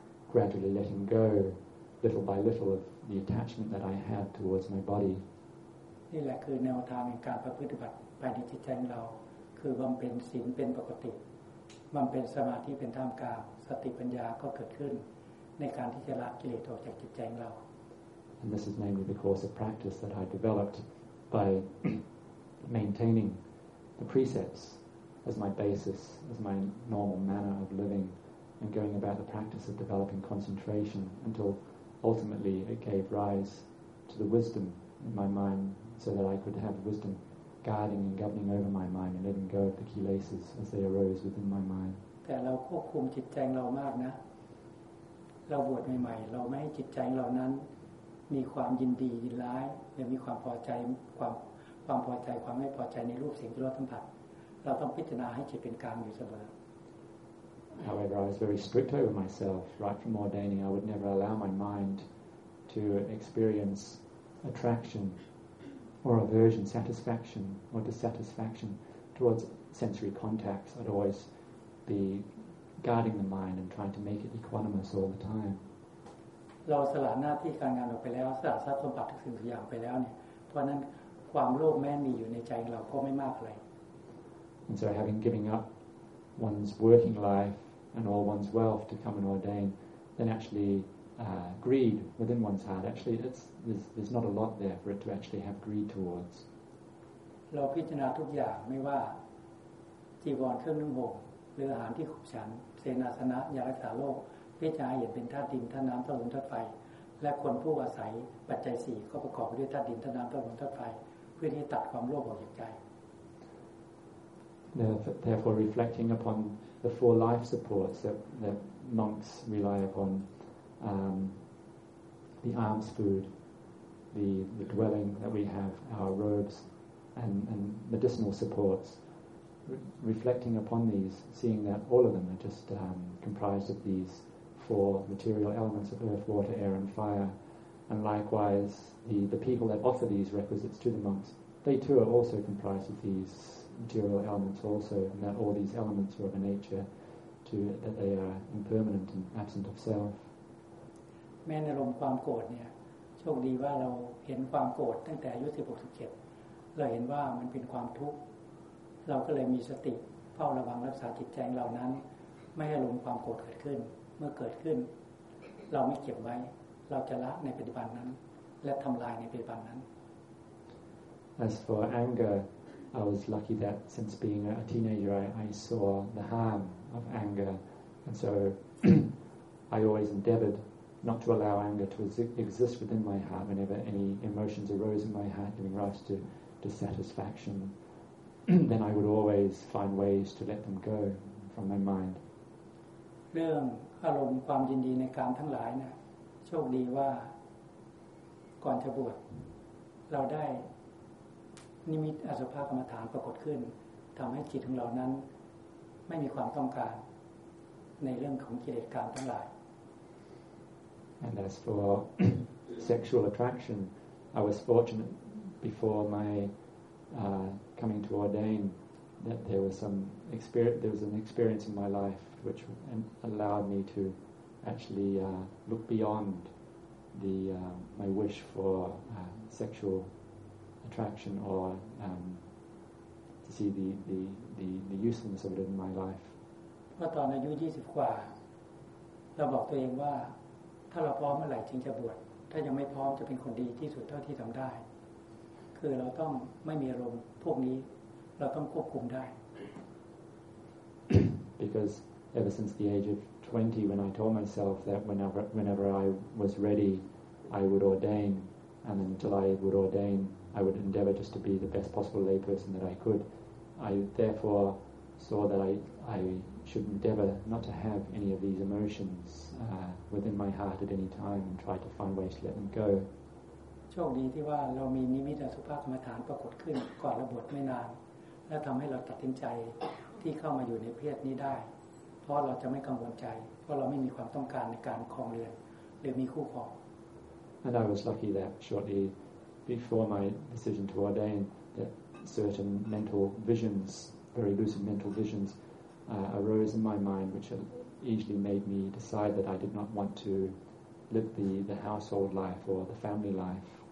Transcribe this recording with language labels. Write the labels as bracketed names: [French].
[English] Gradually letting go, little by little, of the attachment that I had towards my body. [Thai] นี่แหละคือแนวทางในการปฏิบัติภายในจิตใจเราคือบำเพ็ญศีลเป็นปกติมันเป็นสมาธิเป็นท่ามกลางสติปัญญาก็เกิดขึ้นในการที่จะละกิเลสออกจากจิตใจของเรา [English] And this is mainly because of practice that I developed by maintaining the precepts as my basis, as my normal manner of living, and going about the practice of developing concentration until ultimately it gave rise to the wisdom in my mind so that I could have wisdomguiding and governing over my mind and letting go of the kilesas as they arose within my mind [Thai] แต่เราควบคุมจิตใจเรามากนะเราบวชใหม่ๆเราไม่ให้จิตใจของเรานั้นมีความยินดียินร้ายหรือมีความพอใจความพอใจความไม่พอใจในรูปเสียงที่เราสัมผัสเราต้องพิจารณาให้จิตเป็นกลางอยู่เสม [English] อ However, I was very strict over myself right from ordaining. I would never allow my mind to experience attraction or aversion, satisfaction or dissatisfaction towards sensory contacts. I'd always be guarding the mind and trying to make it equanimous all the time. [Thai] เราสละหน้าที่การงานออกไปแล้วสละทรัพย์สมบัติทุกสิ่งทุกอย่างไปแล้วเนี่ยเพราะนั้นความโลภแม้มีอยู่ในใจเราก็ไม่มากเลย [English] And so having given up one's working life and all one's wealth to come and ordain then actually greed within one's heart actually there's not a lot there for it to actually have greed towards [Thai] เราพิจารณาทุกอย่างไม่ว่าจีวรเครื่องนุ่งห่มหรืออาหารที่ขบฉันเสนาสนะยารักษาโรคพิจารณาเห็นเป็นธาตุดินธาตุน้ำธาตุลมธาตุไฟและคนผู้อาศัยปัจจัยสี่ก็ประกอบด้วยธาตุดินธาตุน้ำธาตุลมธาตุไฟเพื่อที่ตัดความโลภออกจากใจ [English] Therefore, reflecting upon the four life supports that monks rely upon, the alms food, the dwelling that we have, our robes, and medicinal supports. Reflecting upon these, seeing that all of them are just comprised of these four material elements of earth, water, air, and fire, and likewise the people that offer these requisites to the monks, they too are also comprised of these material elements also, and that all these elements are of a nature to that they are impermanent and absent of self. [Thai] แม้ในลมความโกรธเนี่ยโชคดีว่าเราเห็นความโกรธตั้งแต่อายุ16 17เราเห็นว่ามันเป็นความทุกข์เราก็เลยมีสติเฝ้าระวังรักษาจิตใจเหล่านั้นไม่ให้ลมความโกรธเกิดขึ้นเมื่อเกิดขึ้นเราไม่เก็บไว้เราจะละในปัจจุบันนั้นและทำลายในปัจจุบันนั้น [English] As for anger, I was lucky that since being a teenager, I saw the harm of anger, and so I always endeavored not to allow anger to exist within my heart whenever any emotions arose in my heart, giving rise to dissatisfaction. Then I would always find ways to let them go from my mind. [Thai] เรื่องอารมณ์ความยินดีในกามทั้งหลายนะโชคดีว่าก่อนจะบวชเราได้นิมิตอสุภกรรมฐานปรากฏขึ้นทำให้จิตของเรานั้นไม่มีความต้องการในเรื่องของกิเลสกามทั้งหลาย [English] And as for sexual attraction, I was fortunate before mycoming to ordain that there was some experience there was an experience in my life which allowed me to actually look beyond the my wish for sexual attraction or to see the usefulness of it in my life [Thai] เมื่อตอนอายุ20กว่าเราบอกตัวเองว่าถ้าเราพร้อมเมื่อไหร่จึงจะบวชถ้ายังไม่พร้อมจะเป็นคนดีที่สุดเท่าที่ทำได้คือเราต้องไม่มีอารมณ์พวกนี้เราต้องควบคุมได้ [English] Because ever since the age of 20 when I told myself that whenever I was ready I would ordain and then until I would ordain I would endeavor just to be the best possible layperson that I could I therefore saw that I should endeavor not to have any of these emotions within my heart at any time and try to find ways to let them go [Thai] โชคดีที่ว่าเรามีนิมิตอสุภกรรมฐานปรากฏขึ้นก่อนระบทไม่นานและทำให้เราตัดสินใจที่เข้ามาอยู่ในเพศนี้ได้เพราะเราจะไม่กังวลใจเพราะเราไม่มีความต้องการในการครองเรือนหรือมีคู่ครอง [English] And I was lucky that shortly before my decision to ordain that certain mental visions, very lucid mental visions, arose in my mind which easily made me decide that I did not want toLive the household life or the family life.